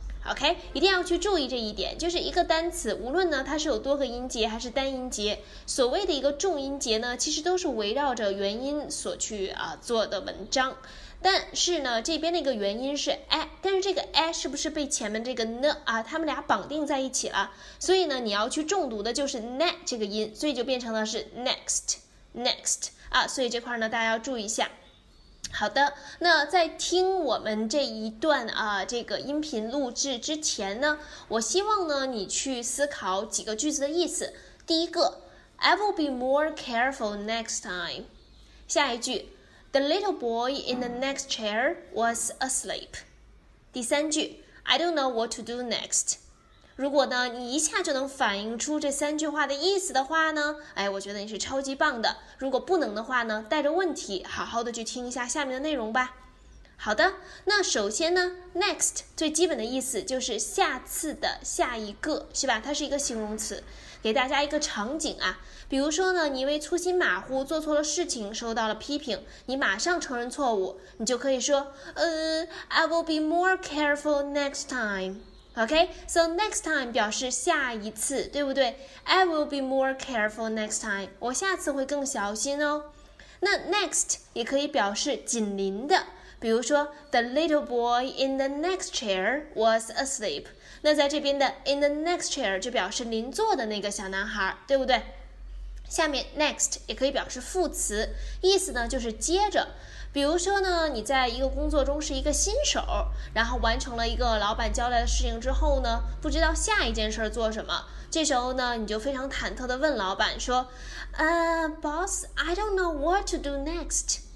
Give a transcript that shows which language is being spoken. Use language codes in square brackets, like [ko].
[zh] OK， 一定要去注意这一点，就是一个单词无论呢它是有多个音节还是单音节，所谓的一个重音节呢其实都是围绕着元音所去啊做的文章，但是呢这边那个元音是 a， 但是这个 a 是不是被前面这个 n 啊他们俩绑定在一起了，所以呢你要去重读的就是 ne 这个音，所以就变成了是 next 啊，所以这块呢大家要注意一下。好的，那在听我们这一段啊，这个音频录制之前呢，我希望呢你去思考几个句子的意思。第一个 [en] ，I will be more careful next time。 [zh] 下一句 [en] ，The little boy in the next chair was asleep。 [zh] 第三句 [en] ，I don't know what to do next。 [zh] 如果呢你一下就能反映出这三句话的意思的话呢，哎，我觉得你是超级棒的。如果不能的话呢，带着问题好好的去听一下下面的内容吧。好的，那首先呢 next 最基本的意思就是下次的下一个，是吧？它是一个形容词，给大家一个场景啊，比如说呢你因为粗心马虎做错了事情受到了批评，你马上承认错误，你就可以说 [en] I will be more careful next timeOK, so next time [zh] 表示下一次，对不对？ [en] I will be more careful next time, [zh] 我下次会更小心哦。那 next 也可以表示紧邻的，比如说 [en] The little boy in the next chair was asleep, [zh] 那在这边的 [en] in the next chair [zh] 就表示邻座的那个小男孩，对不对？下面 next 也可以表示副词，意思呢就是接着，比如说呢你在一个工作中是一个新手，然后完成了一个老板交代的事情之后呢，不知道下一件事做什么，这时候呢你就非常忐忑地问老板说 [en] Boss, I don't know what to do next.